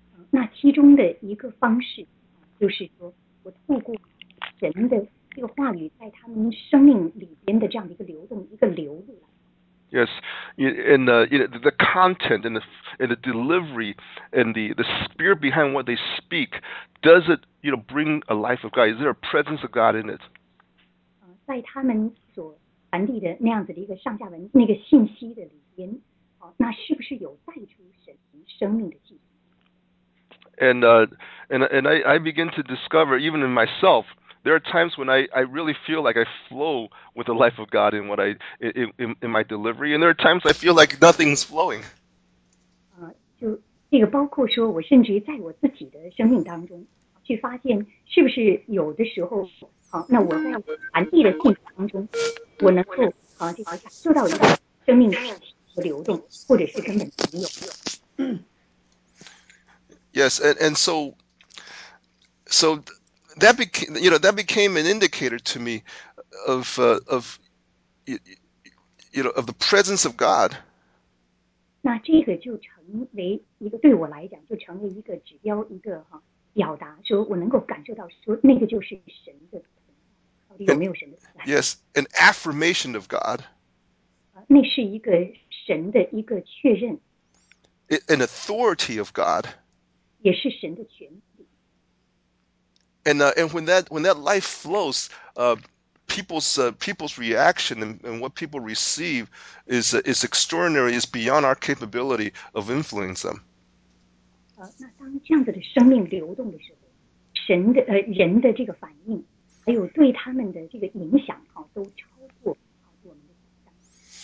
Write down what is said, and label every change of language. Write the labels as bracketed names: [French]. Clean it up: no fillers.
[Chinese] 那其中的一个方式就是说我透过神的这个话语在他们生命里边的这样的一个流动一个流入。 [English] Yes, and the content and the delivery and the spirit behind what they speak, does it, you know, bring a life of God? Is there a presence of God in it? [Chinese] 在他们所传递的那样子的一个上下文那个信息的里边，那是不是有带出神生命的气息 [English] ？And I begin to discover even in myself, there are times when I really feel like I flow with the life of God in what I in my delivery, and there are times I feel like nothing's flowing. [Chinese] 就这个包括说，我甚至于在我自己的生命当中，去发现是不是有的时候，那我在传递的信息当中，我能够就好像做到一个生命的流动，或者是根本没有。 [English] Yes, and so that became, that became an indicator to me of the presence of God. [Chinese] 那这个就成为一个对我来讲就成为一个指标一个表达说我能够感受到说那个就是神的到底有没有神的 [English] Yes, an affirmation of God. [Chinese] 那是一个神的一个确认 [English] An authority of God. [Chinese] 也是神的权利。 [English] And when that life flows, people's reaction and what people receive is extraordinary, is beyond our capability of influencing them. [Chinese] 那当这样子的生命流动的时候，神的人的这个反应，还有对他们的这个影响都超过我们的想象。